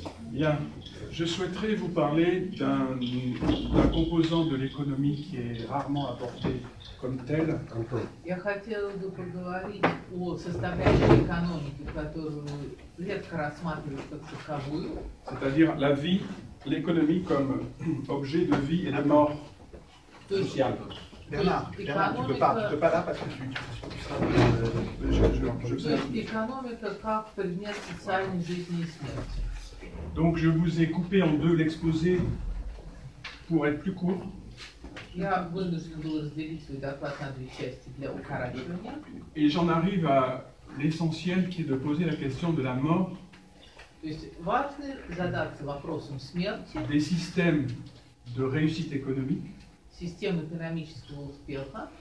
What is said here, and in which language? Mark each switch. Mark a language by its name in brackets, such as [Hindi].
[French] Bien, je souhaiterais vous parler d'un composant de l'économie qui est rarement apporté comme tel. [Russian] Я хотела бы поговорить о составляющей экономики, которую редко рассматривают как таковую. [French] C'est-à-dire la vie, l'économie comme objet de vie et de mort sociale. [Russian] Экономика как предмет социальной жизни и смерти. [French] Donc je vous ai coupé en deux l'exposé pour être plus court. [Russian] Я вынужден был разделить свой доклад на две части для укорачивания. [French] Et j'en arrive à l'essentiel qui est de poser la question de la mort. [Russian] То есть важно задаться вопросом смерти. [French] Des systèmes de réussite économique. [Russian] Системы экономического успеха.